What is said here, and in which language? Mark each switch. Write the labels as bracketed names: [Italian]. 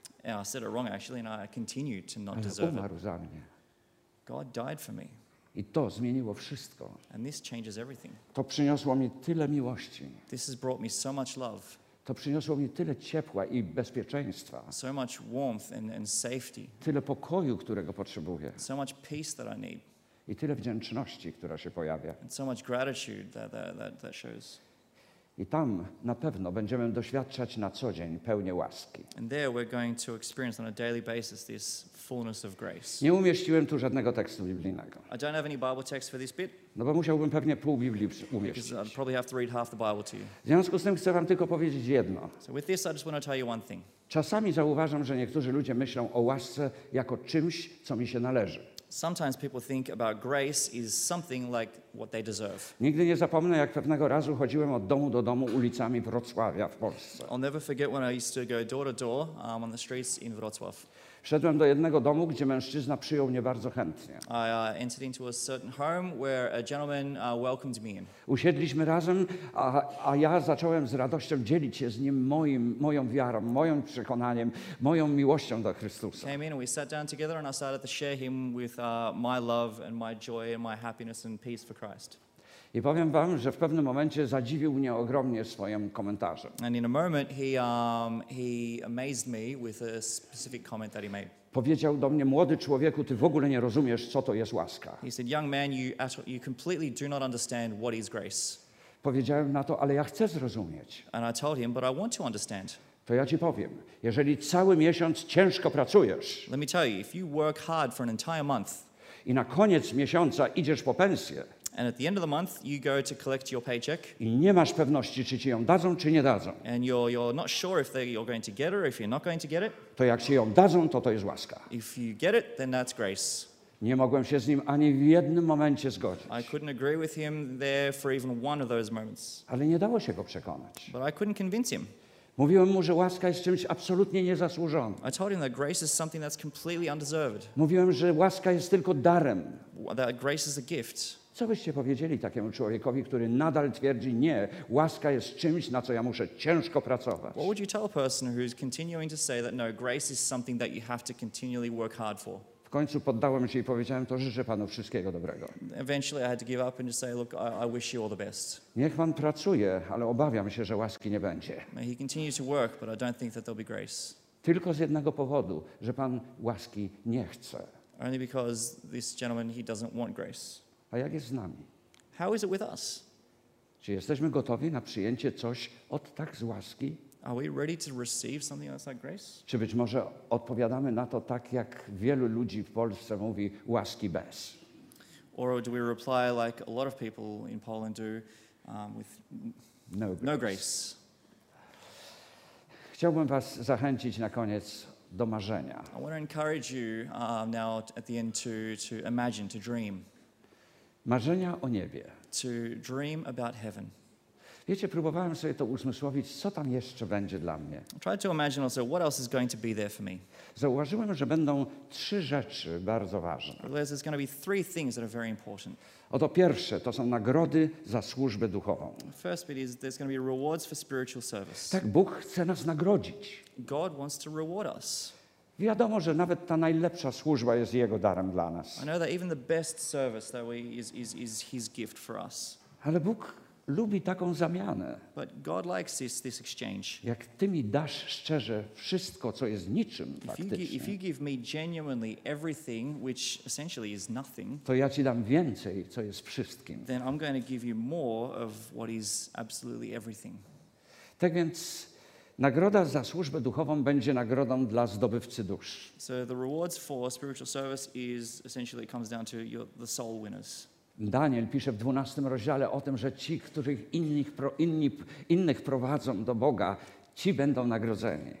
[English] And I said it wrong actually, and I continue to not deserve it. [Polish] Umarł za mnie. [English] God died for me. [Polish] I to zmieniło wszystko. [English] And this changes everything. [Polish] To przyniosło mi tyle miłości. [English] This has brought me so much love. [Polish] To przyniosło mi tyle ciepła i bezpieczeństwa. [English] So much warmth and safety. [Polish] Tyle pokoju, którego potrzebuję. [English] So much peace that I need. [Polish] I tyle wdzięczności, która się pojawia. [English] And so much gratitude that shows. [Polish] I tam na pewno będziemy doświadczać na co dzień pełnię łaski. [English] And there we're going to experience on a daily basis this fullness of grace. [Polish] Nie umieściłem tu żadnego tekstu biblijnego. [English] I don't have any Bible text for this bit. [Polish] No bo musiałbym pewnie pół Biblii umieścić. [English] Because I'd probably have to read half the Bible to you. [Polish] W związku z tym chcę wam tylko powiedzieć jedno. [English] So with this I just want to tell you one thing. [Polish] Czasami zauważam, że niektórzy ludzie myślą o łasce jako czymś, co mi się należy. [English] Sometimes people think about grace is something like what they deserve. [Polish] Nigdy nie zapomnę, jak pewnego razu chodziłem od domu do domu ulicami Wrocławia w Polsce. [English] I'll never forget when I used to go door to door on the streets in Wrocław. [Polish] Wszedłem do jednego domu, gdzie mężczyzna przyjął mnie bardzo chętnie. [English] I entered into a certain home where a gentleman welcomed me in. [Polish] Usiedliśmy razem, a ja zacząłem z radością dzielić się z nim moją wiarą, moim przekonaniem, moją miłością do Chrystusa. [English] Came in and we sat down together and I started to share him with my love and my joy and my happiness and peace for Christ. [Polish] I powiem wam, że w pewnym momencie zadziwił mnie ogromnie swoim komentarzem. [English] And in a moment he amazed me with a specific comment that he made. [Polish] Powiedział do mnie: młody człowieku, ty w ogóle nie rozumiesz, co to jest łaska. [English] He said, young man, you completely do not understand what is grace. [Polish] Powiedziałem na to, ale ja chcę zrozumieć. [English] And I told him, but I want to understand. [Polish] To ja ci powiem, jeżeli cały miesiąc ciężko pracujesz. [English] Let me tell you, if you work hard for an entire month. [Polish] I na koniec miesiąca idziesz po pensję. [English] And at the end of the month, you go to collect your paycheck. [Polish] I nie masz pewności, czy ci ją dadzą, czy nie dadzą. [English] And you're not sure if you're going to get it or if you're not going to get it. [Polish] To jak ci ją dadzą, to jest łaska. [English] If you get it, then that's grace. [Polish] Nie mogłem się z nim ani w jednym momencie zgodzić. [English] I couldn't agree with him there for even one of those moments. [Polish] Ale nie dało się go przekonać. [English] But I couldn't convince him. [Polish] Mówiłem mu, że łaska jest czymś absolutnie niezasłużonym. [English] I told him that grace is something that's completely undeserved. [Polish] Mówiłem, że łaska jest tylko darem. [English] That grace is a gift. [Polish] Co byście powiedzieli takiemu człowiekowi, który nadal twierdzi, nie, łaska jest czymś, na co ja muszę ciężko pracować? [English] What would you tell a person who's continuing to say that no, grace is something that you have to continually work hard for? [Polish] W końcu poddałem się i powiedziałem, to życzę panu wszystkiego dobrego. [English] Eventually I had to give up and just say, look, I wish you all the best. [Polish] Niech pan pracuje, ale obawiam się, że łaski nie będzie. [English] May he continue to work, but I don't think that there'll be grace. [Polish] Tylko z jednego powodu, że pan łaski nie chce. [English] Only because this gentleman, he doesn't want grace. [Polish] A jak jest z nami? [English] How is it with us? [Polish] Czy jesteśmy gotowi na przyjęcie coś od tak z łaski? [English] Are we ready to receive something that's like grace? [Polish] Czy być może odpowiadamy na to tak, jak wielu ludzi w Polsce mówi, łaski bez? [English] Or do we reply like a lot of people in Poland do, with no grace. No grace? [Polish] Chciałbym was zachęcić na koniec do marzenia. [English] I want to encourage you now at the end to imagine, to dream. [Polish] Marzenia o niebie. [English] To dream about heaven. [Polish] Wiecie, próbowałem sobie to uzmysłowić, co tam jeszcze będzie dla mnie. [English] Try to imagine also what else is going to be there for me. [Polish] Zauważyłem, że będą trzy rzeczy bardzo ważne. [English] There's going to be three things that are very important. [Polish] Oto pierwsze, to są nagrody za służbę duchową. [English] First bit is there's going to be rewards for spiritual service. [Polish] Tak, Bóg chce nas nagrodzić. [English] God wants to reward us. [Polish] Wiadomo, że nawet ta najlepsza służba jest Jego darem dla nas. [English] I know that even the best service that we is His gift for us. [Polish] Ale Bóg lubi taką zamianę. [English] But God likes this exchange. [Polish] Jak Ty mi dasz szczerze wszystko, co jest niczym faktycznie. [English] If you give me genuinely everything, which essentially is nothing. [Polish] To ja Ci dam więcej, co jest wszystkim. [English] Then I'm going to give you more of what is absolutely everything. [Polish] Tak więc nagroda za służbę duchową będzie nagrodą dla zdobywcy dusz. [English] So the rewards for spiritual service is essentially comes down to the soul winners. [Polish] Daniel pisze w 12 rozdziale o tym, że ci, których innych prowadzą do Boga, ci będą nagrodzeni.